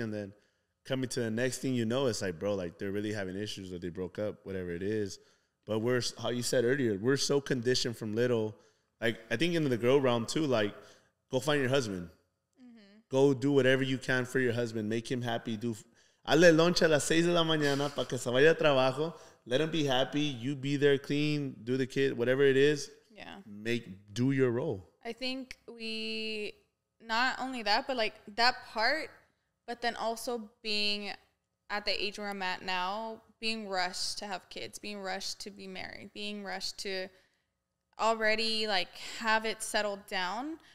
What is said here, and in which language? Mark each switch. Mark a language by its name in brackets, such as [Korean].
[English] And then coming to the next thing you know, it's like, bro, like, they're really having issues or they broke up, whatever it is. But how you said earlier, we're so conditioned from little. Like, I think in the girl realm, too, like, go find your husband. Go do whatever you can for your husband. Make him happy. [Spanish] Do hazle lunch a las 6 de la mañana para que se vaya a trabajo. [English] Let him be happy. You be there, clean, do the kid, whatever it is. Yeah. Do your role. I think we, not only that, but like that part, but then also being at the age where I'm at now, being rushed to have kids, being rushed to be married, being rushed to already like have it settled down.